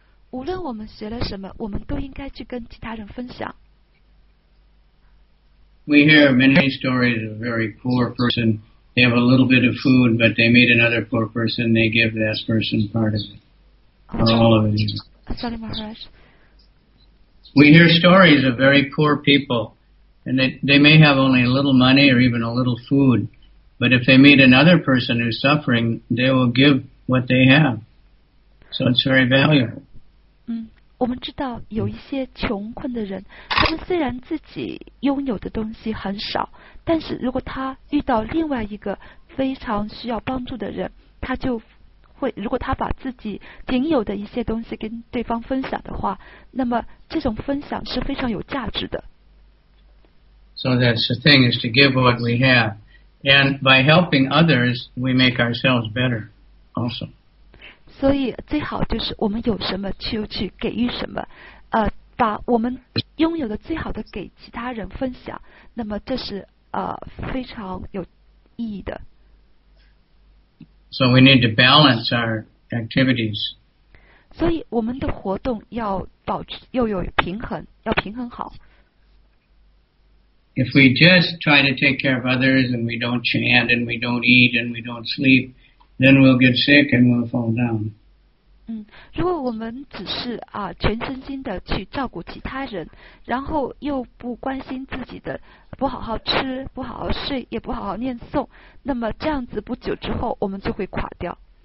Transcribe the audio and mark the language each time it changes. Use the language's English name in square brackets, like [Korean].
[Chinese] 无论我们学了什么，我们都应该去跟其他人分享。 [English] We hear many stories of a very poor person. They have a little bit of food, but they meet another poor person. They give that person part of it, or all of it. Sorry, Maharaj. We hear stories of very poor people, and they may have only a little money or even a little food, but if they meet another person who's suffering, they will give what they have. So it's very valuable. [Chinese] 我们知道有一些穷困的人，他们虽然自己拥有的东西很少，但是如果他遇到另外一个非常需要帮助的人，他就会，如果他把自己仅有的一些东西跟对方分享的话，那么这种分享是非常有价值的。 [English] So that's the thing, is to give what we have, and by helping others we make ourselves better also. [Chinese] 所以最好就是我们有什么就去给予什么，把我们拥有的最好的给其他人分享，那么这是非常有意义的。 [English] So we need to balance our activities. [Chinese] 所以我们的活动要保持又有平衡，要平衡好。 [English] If we just try to take care of others and we don't chant and we don't eat and we don't sleep. Then we'll get sick and we'll fall down. [Chinese] 如果我们只是全身心的去照顾其他人，然后又不关心自己的，不好好吃，不好好睡，也不好好念诵，那么这样子不久之后我们就会垮掉。